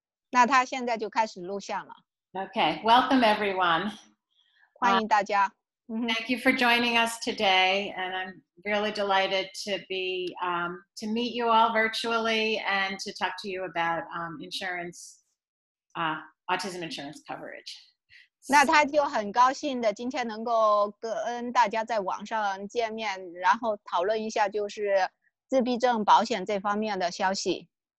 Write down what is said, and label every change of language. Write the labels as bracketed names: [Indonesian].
[Chinese] 那他现在就开始录像了。 [English] Okay, welcome everyone. [Chinese] 欢迎大家。 [English] Thank you for joining us today, and I'm really delighted to be, to meet you all virtually and to talk to you about insurance, autism insurance coverage. [Chinese] 那他就很高兴的今天能够跟大家在网上见面，然后讨论一下就是自闭症保险这方面的消息。